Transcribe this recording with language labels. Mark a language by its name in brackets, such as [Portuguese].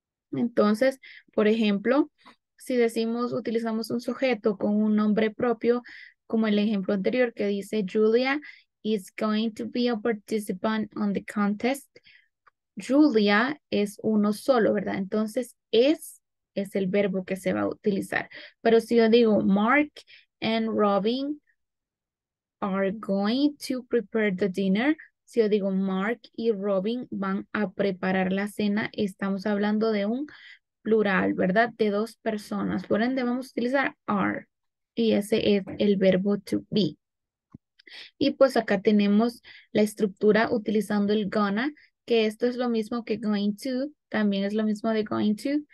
[Spanish] Entonces, por ejemplo, si decimos, utilizamos un sujeto con un nombre propio, como el ejemplo anterior que dice [English] Julia is going to be a participant on the contest. [Spanish] Julia es uno solo, ¿verdad? Entonces, es el verbo que se va a utilizar. Pero si yo digo, [English] Mark and Robin are going to prepare the dinner. [Spanish] Si yo digo, Mark y Robin van a preparar la cena, estamos hablando de un plural, ¿verdad? De dos personas. Por ende, vamos a utilizar are. Y ese es el verbo to be. Y pues acá tenemos la estructura utilizando el gonna, que esto es lo mismo que going to, también es lo mismo de going to.